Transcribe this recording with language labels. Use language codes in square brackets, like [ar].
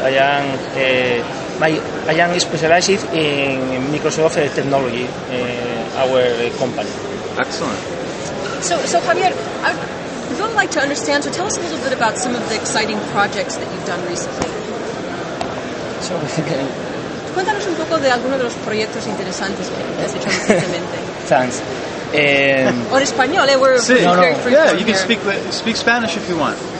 [en] I am specialized in Microsoft technology, our company. Excellent. So Javier, I'd really like to understand, so tell us a little bit about some of the exciting projects that you've done recently. Sure. [es] Cuéntanos un poco de alguno de los proyectos interesantes que has hecho recientemente. [en] Thanks. [es] En español, [en] we're [es] sí, no, no. [en] Yeah, you can speak Spanish if you want.